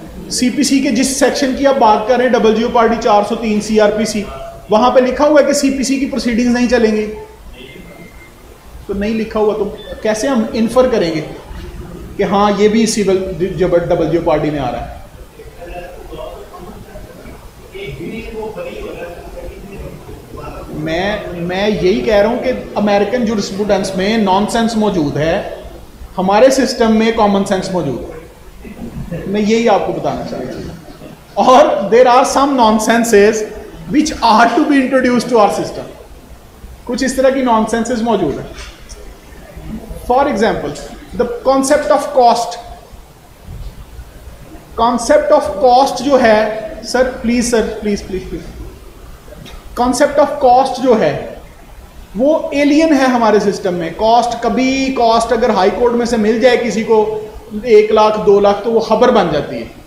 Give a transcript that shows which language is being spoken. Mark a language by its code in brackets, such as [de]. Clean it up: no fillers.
[ur] سی پی سی کے جس سیکشن کی آپ بات کر رہے ہیں، double Jio party 403 C R P سی، وہاں پہ لکھا ہوا ہے کہ سی پی سی کی پروسیڈنگز نہیں چلیں گی؟ تو نہیں لکھا ہوا تو کیسے ہم انفر کریں گے کہ ہاں یہ بھی سول ڈبل جیو پارٹی میں آ رہا ہے؟ میں یہی کہہ رہا ہوں کہ امریکن جورسپروڈنس میں نان سینس موجود ہے، ہمارے سسٹم میں کامن سینس موجود ہے. میں یہی آپ کو بتانا چاہ رہا ہوں. [en] اور there are some naan senses which are to be introduce to are system. [ur] کچھ اس طرح کی نان سینسز موجود ہیں. [en] For example the concept of cost. [ur] Concept of cost جو ہے سر، please sir, please please please, concept of cost جو ہے وہ ایلین ہے ہمارے سسٹم میں. کاسٹ کبھی، کاسٹ اگر ہائی کورٹ میں سے مل جائے کسی کو 1 لاکھ 2 لاکھ تو وہ خبر بن جاتی ہے.